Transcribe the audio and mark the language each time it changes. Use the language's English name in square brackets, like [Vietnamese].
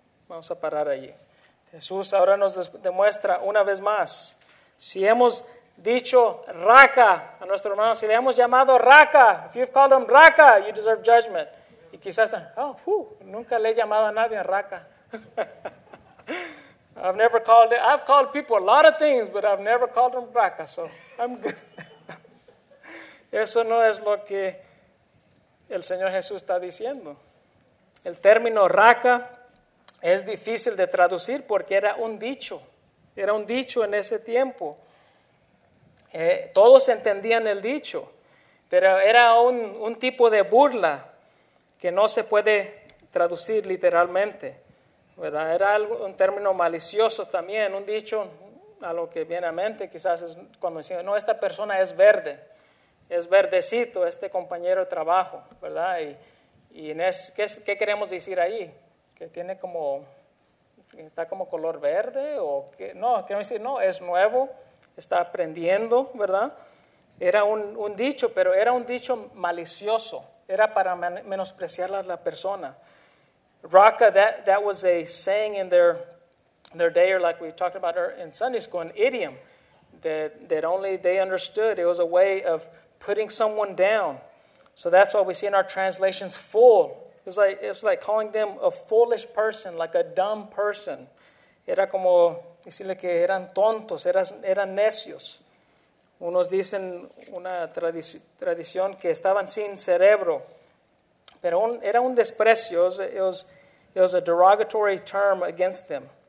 [Spanish] Vamos a parar allí. Jesús ahora nos demuestra una vez más, si hemos dicho raca a nuestro hermano, si le hemos llamado raca, [English] if you've called him raca, you deserve judgment. [Spanish] Y quizás, oh, whew, nunca le he llamado a nadie raca. [English] I've called people a lot of things, but I've never called them raca, so I'm good. [Spanish] Eso no es lo que el Señor Jesús está diciendo. El término raca es difícil de traducir porque era un dicho en ese tiempo. Todos entendían el dicho, pero era un tipo de burla que no se puede traducir literalmente, ¿verdad? Era algo, un término malicioso también, un dicho a lo que viene a mente quizás es cuando dicen, no, esta persona es verde, es verdecito este compañero de trabajo, ¿verdad? ¿Qué queremos decir ahí? Que tiene como, está como color verde, o que, no, queremos decir, no, es nuevo, está aprendiendo, ¿verdad? Era un dicho, pero era un dicho malicioso, era para menospreciar a la persona. [English] Raca, that was a saying in their day, or like we talked about in Sunday school, an idiom that only they understood. It was a way of putting someone down. So that's what we see in our translations, fool. It was like calling them a foolish person, like a dumb person. [Spanish] Era como decirle que eran tontos, eran necios. Unos dicen una tradición que estaban sin cerebro. Pero era un desprecio. [English] It was a derogatory term against them.